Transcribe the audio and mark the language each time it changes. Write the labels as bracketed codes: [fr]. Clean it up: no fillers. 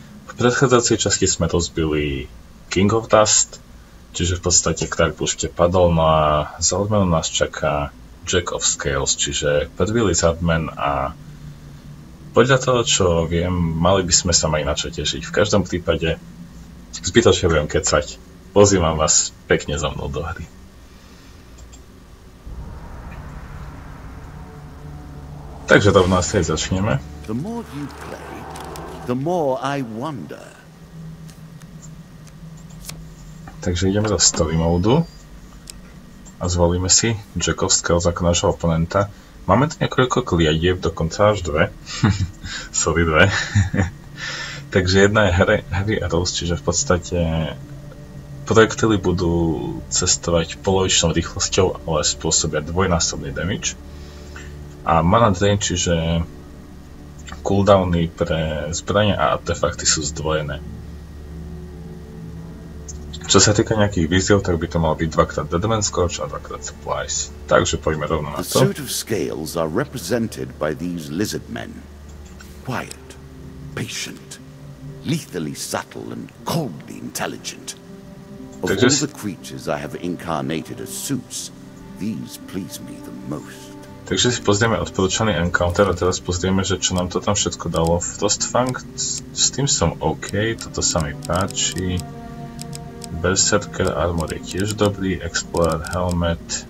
[sk] V predchádzacej časti sme rozbili King of Dust, čiže v podstate Krak Búške padol, no a za odmenu nás čaká Jack of Scales, čiže prvý lizardman a podľa toho, čo viem, mali by sme sa mali na čo tešiť. V každom prípade zbytočne budem kecať. Pozývam vás pekne za mnou do hry. Takže to v nás aj začneme. [en] The more you play, the more I wonder. [sk] Takže ideme do story modu. A zvolíme si Jack of Scales ako nášho oponenta. Máme tu niekoľko kliadieb, dokonca až dve. Sorry, dve. Takže jedna je Heavy Arrows, čiže v podstate projektily budú cestovať polovičnou rýchlosťou, ale spôsobia dvojnásobný damage. A mana drain, čiže cooldowny pre zbrania a artefakty sú zdvojené. Čo sa týka nejakých víziev, tak by to malo byť 2x Deadman Scorch a 2x Supplies. Takže poďme rovno na to. [en] The suit of scales are represented by these lizard men. Quiet, patient, lethally subtle and coldly intelligent. Of all the creatures I have incarnated as suits, these please me the most. [sk] Takže si pozrieme odporúčaný encounter a teraz pozrieme, že čo nám to tam všetko dalo. Frostfang, s tým som OK, toto sa mi páči. Berserker armor je tiež dobrý, Explorer helmet.